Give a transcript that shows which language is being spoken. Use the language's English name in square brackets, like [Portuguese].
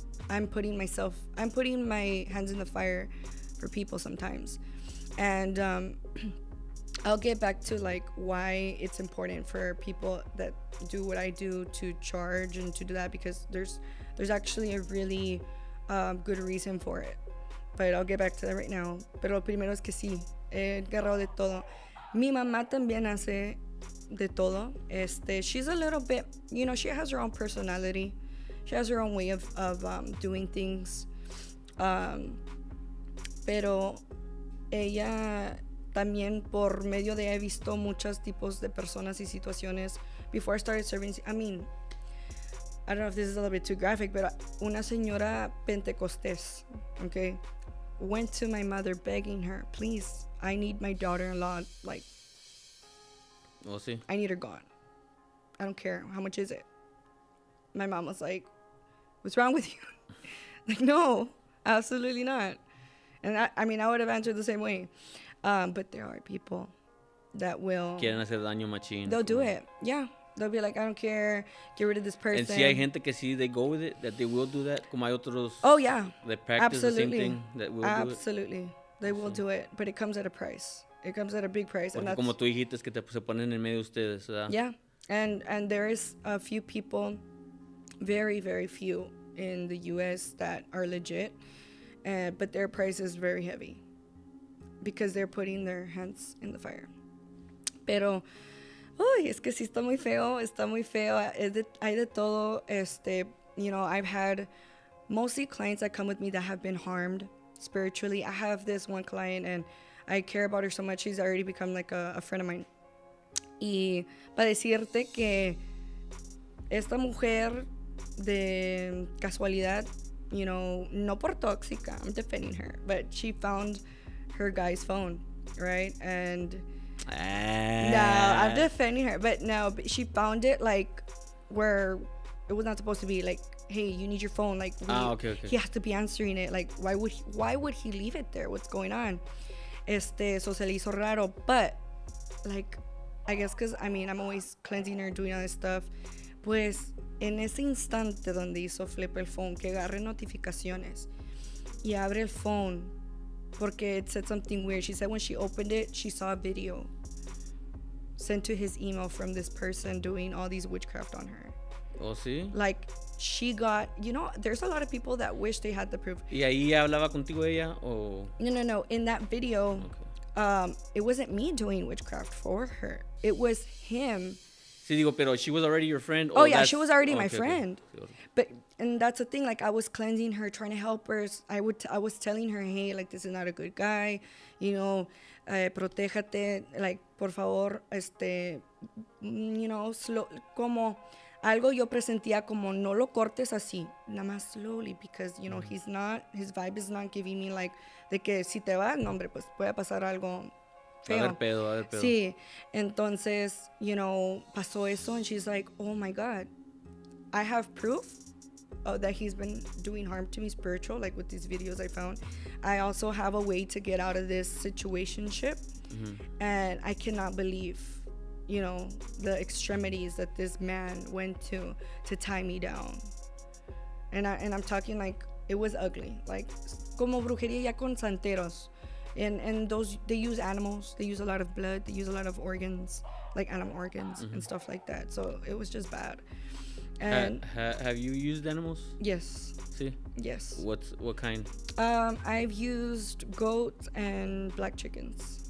[English] I'm putting my hands in the fire for people sometimes, and. I'll get back to like why it's important for people that do what I do to charge and to do that because there's actually a really good reason for it. But I'll get back to that right now. [Spanish] Pero primero es que sí, he agarrado de todo. Mi mamá también hace de todo. [English] She's a little bit, you know, she has her own personality. She has her own way of doing things. [Spanish] Pero ella también por medio de he visto muchos tipos de personas y situaciones. [English] Before I started serving, I mean, I don't know if this is a little bit too graphic, but [Spanish] una señora Pentecostés, [English] okay, went to my mother begging her, please, I need my daughter-in-law, like, [Spanish] oh, sí. [English] I need her gone. I don't care, how much is it? My mom was like, what's wrong with you? Like, no, absolutely not. And I mean, I would have answered the same way. But there are people that will... [Spanish] Quieren hacer daño machín. [English] They'll do it. Yeah. They'll be like, I don't care. Get rid of this person. And [Spanish] si hay gente que si [English] they go with it, that they will do that. [Spanish] Como hay otros... [English] Oh, yeah. They practice absolutely. The same thing. That will absolutely. Do it. They will do it. But it comes at a price. It comes at a big price. [Spanish] Porque [English] and [Spanish] como tú dijiste, es que se ponen en medio de ustedes, ¿verdad? [English] Yeah. And there is a few people, very, very few in the U.S. that are legit. But their price is very heavy. Because they're putting their hands in the fire. [Spanish] Pero, uy, es que sí está muy feo, está muy feo. Hay de todo, [English] you know, I've had mostly clients that come with me that have been harmed spiritually. I have this one client and I care about her so much. She's already become like a friend of mine. [Spanish] Y para decirte que esta mujer de casualidad, [English] you know, [Spanish] no por tóxica, [English] I'm defending her, but she found her guy's phone, right? And now I'm defending her, but now she found it like where it was not supposed to be, like, hey, you need your phone, like, he has to be answering it, like, why would he leave it there, what's going on? So [Spanish] se le hizo raro, [English] but like, I guess because, I mean, I'm always cleansing her, doing other stuff. [Spanish] Pues, en ese instante donde hizo flip el phone, que agarre notificaciones y abre el phone, porque [English] it said something weird. She said when she opened it, she saw a video sent to his email from this person doing all these witchcraft on her. [Spanish] Oh, sí? [English] Like, she got, you know, there's a lot of people that wish they had the proof. [Spanish] ¿Y ahí hablaba contigo ella, o? [English] No. In that video, it wasn't me doing witchcraft for her. It was him. [Spanish] Sí, digo, pero [English] she was already your friend. Oh, yeah, she was already my friend. Okay. But, and that's the thing, like, I was cleansing her, trying to help her. I was telling her, hey, like, this is not a good guy. You know, [Spanish] protéjate, like, por favor, [English] you know, slow, [Spanish] como algo yo presentía como no lo cortes así, nada más [English] slowly, because, you know, his vibe is not giving me, like, [Spanish] de que si te vas, no, hombre, pues puede pasar algo feo. A ver pedo. Sí, entonces, [English] you know, [Spanish] pasó eso, [English] and she's like, oh my God, I have proof that he's been doing harm to me spiritual, like with these videos I found. I also have a way to get out of this situationship, and I cannot believe, you know, the extremities that this man went to tie me down. And I'm talking like it was ugly. Like [Spanish] como brujería ya con santeros. [English] And those, they use animals, they use a lot of blood, they use a lot of organs, like animal organs and stuff like that. So it was just bad. And have you used animals? Yes. [Spanish] Sí. [English] Yes. What kind? I've used goats and black chickens.